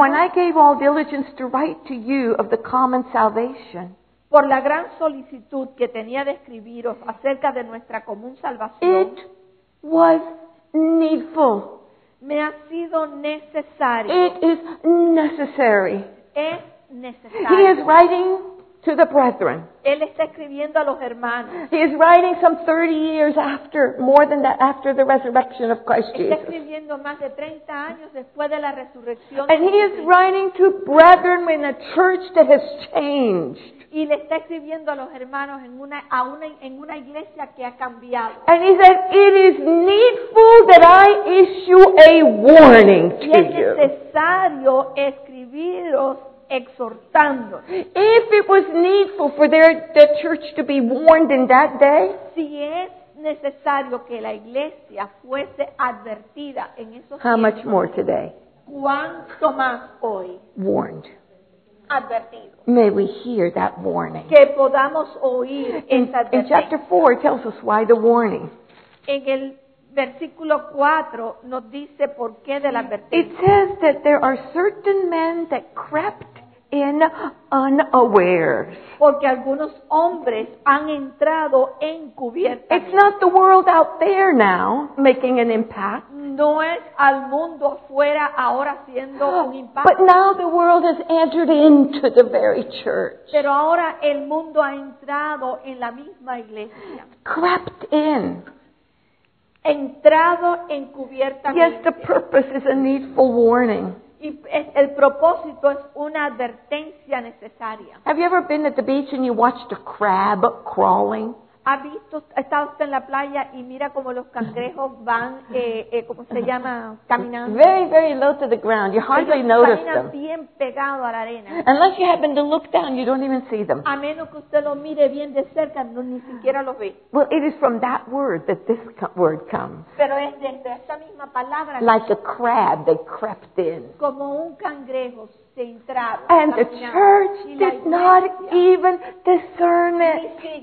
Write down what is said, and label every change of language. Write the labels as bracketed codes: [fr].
[en] when I gave all diligence to write to you of the common salvation, [es] por la gran solicitud que tenía de escribiros acerca de nuestra común salvación, [en] it was needful. [es] Me ha sido necesario. [en] It is necessary. [es] Es necesario. [en] He is writing to the brethren. [es] Él está escribiendo a los hermanos. [en] He is writing some 30 years after, more than that, after the resurrection of Christ Jesus. [es] Está escribiendo más de 30 años después de la resurrección. [en] And he is writing to brethren in a church that has changed. [es] Y le está escribiendo a los hermanos en una iglesia que ha cambiado. [en] And he said, it is needful that I issue a warning to you. [es] Y es necesario escribiros exhortando. [en] If it was needful for the church to be warned in that day, [es] si es necesario que la iglesia fuese advertida en esos tiempos, [en] how much more today? [es] ¿Cuánto más hoy? [en] Warned. [es] Advertido. [en] May we hear that warning. [es] Que podamos oír esa advertencia. [en] In chapter 4 it tells us why the warning. [es] En el versículo 4 nos dice por qué de la advertencia. [en] It says that there are certain men that crept in unawares. [es] Porque algunos hombres han entrado encubiertamente. [en] It's not the world out there now making an impact. [es] No es al mundo afuera ahora haciendo un impacto. [en] But now the world has entered into the very church. [es] Pero ahora el mundo ha entrado en la misma iglesia. [en] Crept in. [es] Entrado encubiertamente. [en] Yes, the purpose is a needful warning. [es] Y el propósito es una advertencia necesaria. [en] Have you ever been at the beach and you watched a crab crawling? [es] ¿Ha visto, está usted en la playa y mira cómo los cangrejos van, ¿cómo se llama? Caminando. [en] Very, very low to the ground. You hardly notice them. [es] Caminan bien pegado a la arena. [en] Unless you happen to look down, you don't even see them. [es] A menos que usted los mire bien de cerca, no, ni siquiera los ve. [en] Well, it is from that word that this word comes. [es] Pero es desde esa misma palabra. [en] Like a crab, they crept in. [es] Como un cangrejo. [en] And the church did not even discern it.